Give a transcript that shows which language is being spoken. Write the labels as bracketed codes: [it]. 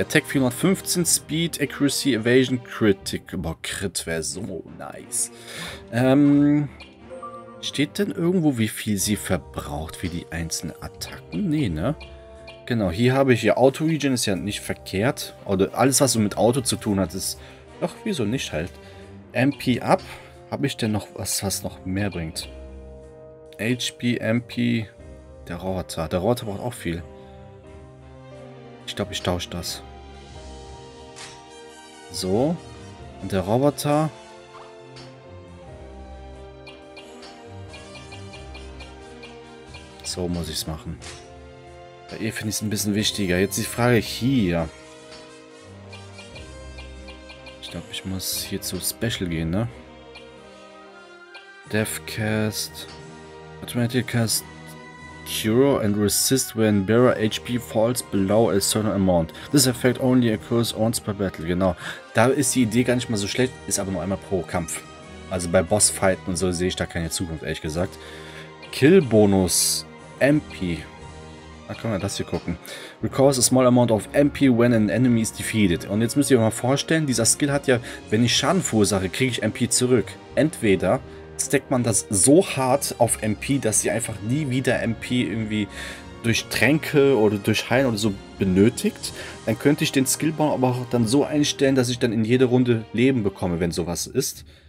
[en] Attack 415, Speed, Accuracy, Evasion, Critic. [de] Boah, Crit wäre so nice. Steht denn irgendwo, wie viel sie verbraucht für die einzelnen Attacken? Nee, ne? Genau, hier habe ich ihr Auto-Regen, ist ja nicht verkehrt. Oder alles, was so mit Auto zu tun hat, ist... Doch, wieso nicht halt? MP up. Habe ich denn noch was, was noch mehr bringt? HP, MP... Der Roboter. Der Roboter braucht auch viel. Ich glaube, ich tausche das. So. Und der Roboter. So muss ich es machen. Bei ihr finde ich es ein bisschen wichtiger. Jetzt die Frage hier. Ich glaube, ich muss hier zu Special gehen, ne? [en] Deathcast. Automatic Cast. Cure and resist when bearer HP falls below a certain amount. This effect only occurs once per battle. [de] Genau. Da ist die Idee gar nicht mal so schlecht, ist aber nur einmal pro Kampf. Also bei Bossfighten und so sehe ich da keine Zukunft, ehrlich gesagt. Kill Bonus MP. Da können wir das hier gucken. [en] Recovers a small amount of MP when an enemy is defeated. [de] Und jetzt müsst ihr euch mal vorstellen, dieser Skill hat ja, wenn ich Schaden verursache, kriege ich MP zurück. Entweder stackt man das so hart auf MP, dass sie einfach nie wieder MP irgendwie durch Tränke oder durch Heilen oder so benötigt, dann könnte ich den Skillbaum aber auch dann so einstellen, dass ich dann in jede Runde Leben bekomme, wenn sowas ist.